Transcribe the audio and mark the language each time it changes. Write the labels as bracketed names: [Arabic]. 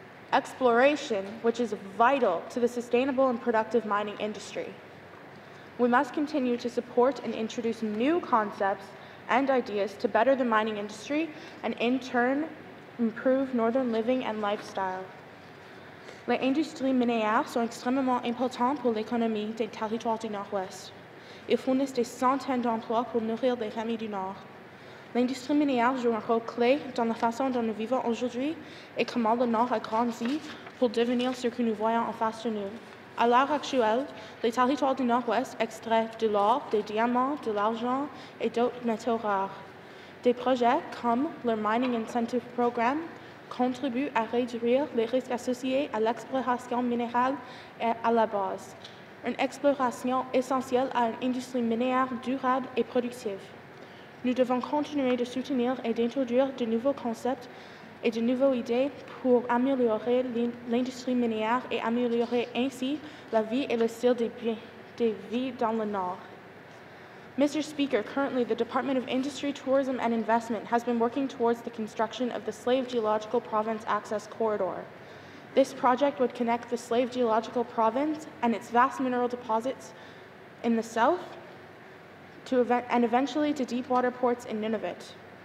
[English] Exploration, which is vital to the sustainable and productive mining industry. We must continue to support and introduce new concepts and ideas to better the mining industry and in turn improve northern living and lifestyle. [French] L'industrie minière est extrêmement importante pour l'économie des territoires du Nord-Ouest. Ils fournissent des centaines d'emplois pour nourrir les familles du Nord. L'industrie minière joue un rôle clé dans la façon dont nous vivons aujourd'hui et comment le Nord a grandi pour devenir ce que nous voyons en face de nous. À l'heure actuelle, les territoires du Nord-Ouest extraient de l'or, des diamants, de l'argent et d'autres métaux rares. Des projets comme le Mining Incentive Program contribuent à réduire les risques associés à l'exploration minérale et à la base, une exploration essentielle à une industrie minière durable et productive. Nous devons continuer de soutenir et d'introduire de nouveaux concepts et de nouvelles idées pour améliorer l'industrie minière et améliorer ainsi la vie et le style des vies dans le Nord. [English] Mr. Speaker, currently the Department of Industry, Tourism and Investment has been working towards the construction of the Slave Geological Province Access Corridor. This project would connect the Slave Geological Province and its vast mineral deposits in the south eventually to deep water ports in Nunavut.